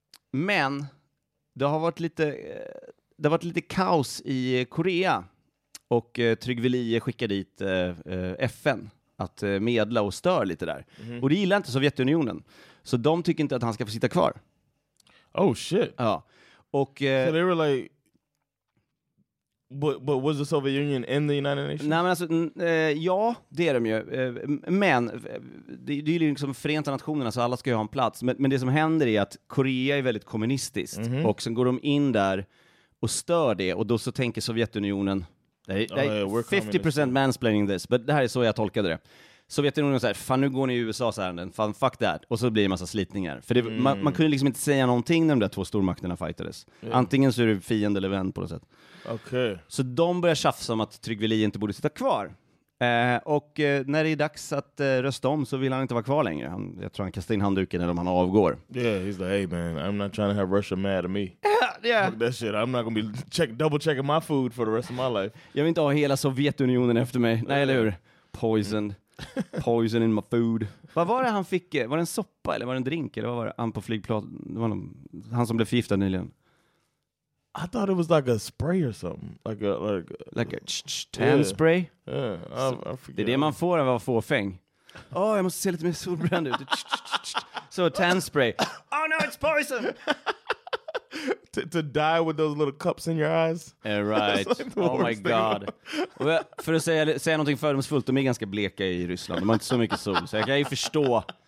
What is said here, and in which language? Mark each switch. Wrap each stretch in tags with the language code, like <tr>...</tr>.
<sv>Men det har varit lite kaos i Korea, och Trygve Lie skickade dit FN att medla och stör lite där. Mm. Och det gillar inte Sovjetunionen. Så de tycker inte att han ska få sitta kvar.</sv> <en>Oh shit.</en> <sv>Ja. Och</sv> <en>so they were like, but was the Soviet Union in the United Nations?</en> <sv>Nej, men alltså ja, det är de ju. Men det är ju liksom Förenta Nationerna, så alla ska ju ha en plats. Men det som händer är att Korea är väldigt kommunistiskt. Mm-hmm. Och sen går de in där och stör det. Och då så tänker Sovjetunionen,</sv> <en>Yeah, 50% mansplaining this, but</en> <sv>det här är så jag tolkade det. Sovjetunionen säger, fan nu går ni i USA:s ärenden, fan</sv> <en>fuck that,</en> <sv>och så blir det massa slitningar. För det, man kunde liksom inte säga någonting när de där två stormakterna fightades. Yeah. Antingen så är det fiende eller vän på något sätt. Okay. Så de börjar tjafsa om att Trygve Lie inte borde sitta kvar. Och när det är dags att rösta om så vill han inte vara kvar längre. Jag tror han kastar in handduken eller om han avgår.</sv> <en>Yeah, he's like, hey man, I'm not trying to have Russia mad at me. Yeah. Fuck that shit, I'm not gonna be double checking my food for the rest of my life.</en> <sv>Jag vill inte ha hela Sovjetunionen efter mig. Nej, eller hur?</sv> <en>Poisoned. Poison in my food.</en> <sv>Vad var det han fick? Var det en soppa eller var det en drink? Eller vad var det? Han på flygplan. Det var någon, han som blev förgiftad nyligen.</sv> <en>I thought it was like a spray or something. Like a tan spray? Yeah, I forget.</en> <sv>Det är det man får av att få fäng. Åh, jag måste se lite mer solbränd ut.</sv> <en>Så tan spray. Oh no, it's poison! to die with those little cups in your eyes. Yeah, right. Like, oh my god.</en> <sv>För att säga någonting fördomsfullt, de är ganska bleka i Ryssland. De har inte så mycket sol, så jag kan ju förstå.</sv>